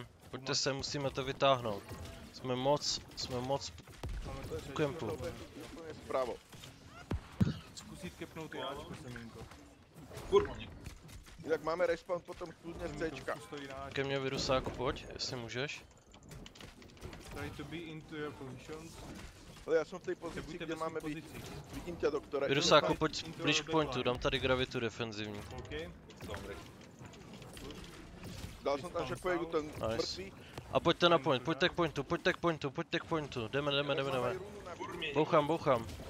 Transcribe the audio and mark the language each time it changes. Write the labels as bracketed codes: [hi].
[cs] Pojďte sem, musíme to vytáhnout. Jsme moc v kempu. Pravo. Zkusit kepnout ty Ačko, Semínko. Kurva. Jak máme respawn potom kluzně z Cčka. Ke mně virusáku, pojď, jestli můžeš. [en] Try to be into your positions. [cs] Ale já jsem v té pozici, kde máme být. Vidím tě, doktore. Virusáku, pojď blíž k pointu, dám tady gravitu defenzivní. OK. Dal jsem tam, že pojedu ten mrtvý. A pojďte na point, pojďte k pointu. Jdeme. Bouchám.